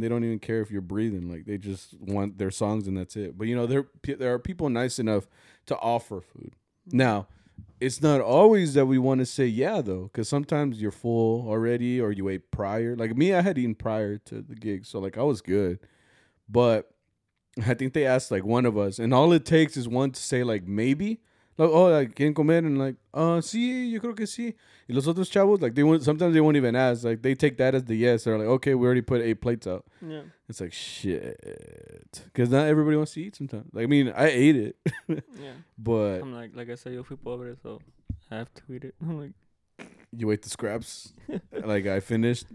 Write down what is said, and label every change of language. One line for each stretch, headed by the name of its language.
English: They don't even care if you're breathing. Like they just want their songs and that's it. But you know, there are people nice enough to offer food. Now, it's not always that we want to say yeah though, because sometimes you're full already or you ate prior. Like me, I had eaten prior to the gig, so like I was good. But I think they asked like one of us, and all it takes is one to say like maybe.
Spanish: Like, oh, like, ¿quieren comer? And like, sí, yo creo que sí. Y los otros chavos,
English: like, sometimes they won't even ask. Like, they take that as the yes. They're like, okay, we already put 8 plates out. Yeah. It's like, shit. Because not everybody wants to eat sometimes. Like, I mean, I ate it. Yeah. But. I'm like I said,
Spanish: yo fui pobre,
English: so I have to eat it. I'm like. You ate the scraps. Like, I finished.